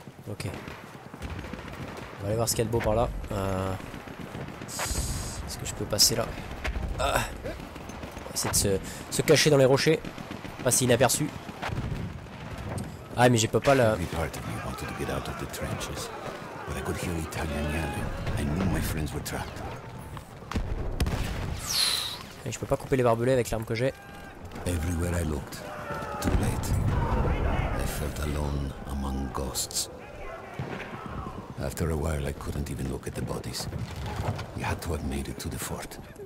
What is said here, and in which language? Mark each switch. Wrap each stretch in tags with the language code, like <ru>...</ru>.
<fr>Ok. On va aller voir ce qu'il y a de beau par là. Est-ce que je peux passer là? On va essayer de se cacher dans les rochers. Passer inaperçu. Ah mais j'ai pas la...</fr> <en>Every part of me wanted to get out of the trenches. But I could hear Italian yelling. I knew my friends were trapped.</en> <fr>Et je peux pas couper les barbelés avec l'arme que j'ai.</fr> <en>Everywhere I looked, too late. I felt alone among ghosts. After a while I couldn't even look at the bodies. You had to have made it to the fort.</en>